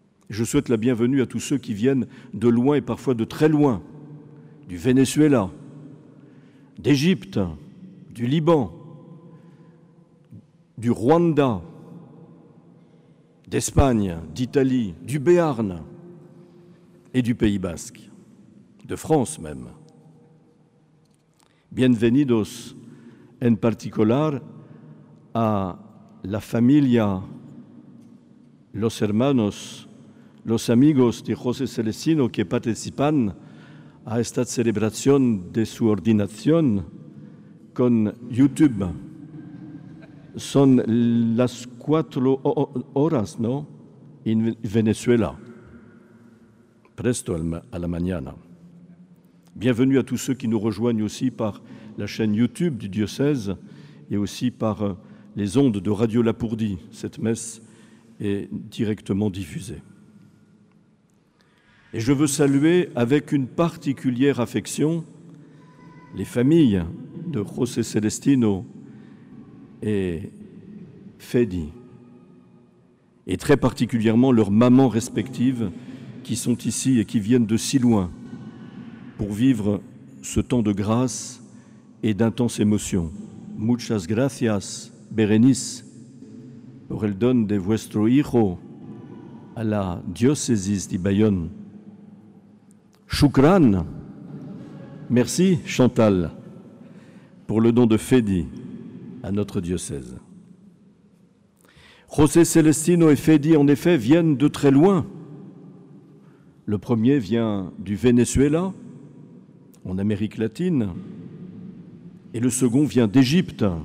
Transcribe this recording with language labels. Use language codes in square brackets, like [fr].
[fr] Je souhaite la bienvenue à tous ceux qui viennent de loin et parfois de très loin, du Venezuela, d'Égypte, du Liban, du Rwanda, d'Espagne, d'Italie, du Béarn et du Pays Basque, de France même. [es] Bienvenidos en particular a la familia, los hermanos, los amigos de José Celestino que participan a esta celebración de su ordinación con YouTube. Son las 4 horas, ¿no?, en Venezuela. Presto a la mañana. [fr] Bienvenue à tous ceux qui nous rejoignent aussi par la chaîne YouTube du diocèse et aussi par les ondes de Radio Lapourdi. Cette messe est directement diffusée. Et je veux saluer avec une particulière affection les familles de José Celestino et Fedi, et très particulièrement leurs mamans respectives qui sont ici et qui viennent de si loin pour vivre ce temps de grâce et d'intense émotion. [es] Muchas gracias, Berenice, por el don de vuestro hijo a la diócesis de Bayonne. [fr] Shukran, merci Chantal, pour le don de Fedi à notre diocèse. José Celestino et Fedi, en effet, viennent de très loin. Le premier vient du Venezuela, en Amérique latine, et le second vient d'Égypte.